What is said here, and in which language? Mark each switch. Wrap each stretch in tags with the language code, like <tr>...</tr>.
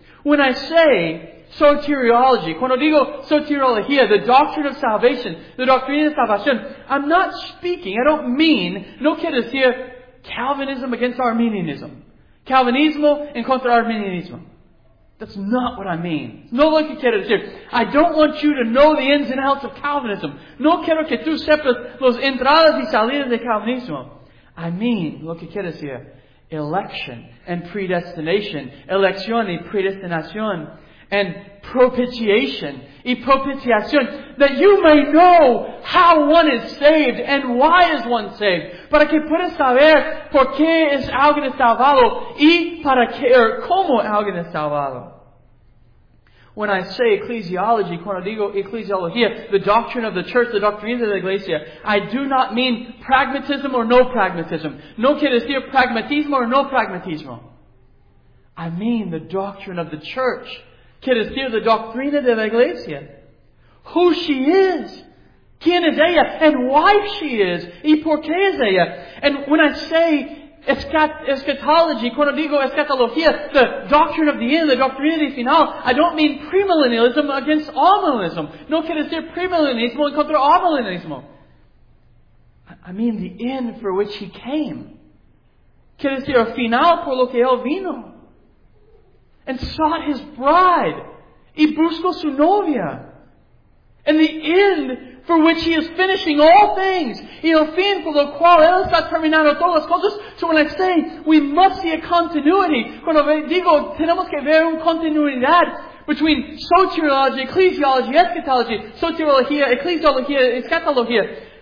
<en>When I say soteriology,</en> <es>cuando digo soteriología,</es> <en>the doctrine of salvation, the</en> <es>doctrina de salvación,</es> <en>I'm not speaking, I don't mean,</en> <es>no quiero decir</es> <en>Calvinism against Arminianism.</en> <es>Calvinismo en contra Arminianismo.</es> <en>That's not what I mean.</en> <es>No lo que quiero decir.</es> <en>I don't want you to know the ins and outs of Calvinism.</en> <es>No quiero que tú sepas los entradas y salidas de Calvinismo.</es> <en>I mean</en> <es>lo que quiero decir.</es> <en>Election and predestination.</en> <es>Elección y predestinación.</es> <en>And propitiation</en> <es>y propiciación.</es> <en>That you may know how one is saved and why is one saved.</en> <es>Para que puedas saber por qué es alguien salvado y para qué, or cómo alguien es salvado.</es> <en>When I say ecclesiology,</en> <es>cuando digo ecclesiología,</es> <en>the doctrine of the church, the</en> <es>doctrina de la iglesia,</es> <en>I do not mean pragmatism or no pragmatism.</en> <es>No quiere decir pragmatismo or no pragmatismo.</es> <en>I mean the doctrine of the church.</en> <es>Quiere decir the doctrina de la iglesia.</es> <en>Who she is.</en> <es>Quién es ella.</es> <en>And why she is.</en> <es>Y por qué es ella.</es> <en>And when I say eschatology,</en> <es>cuando digo eschatología,</es> <en>the doctrine of the end, the</en> <es>doctrina del final,</es> <en>I don't mean premillennialism against amillennialism.</en> <es>No quiere decir premillennialismo en contra amillennialismo.</es> <en>I mean the end for which He came.</en> <es>Quiere decir final por lo que Él vino.</es> <en>And sought His bride.</en> <es>Y buscó su novia.</es> <en>And the end for which He is finishing all things,</en> <es>y el fin por lo cual Él está terminando todas las cosas.</es> <en>So when I say we must see a continuity,</en> <es>cuando digo tenemos que ver una continuidad</es> <en>between soteriology, ecclesiology, eschatology, soteriología, ecclesiología, eschatología.</en>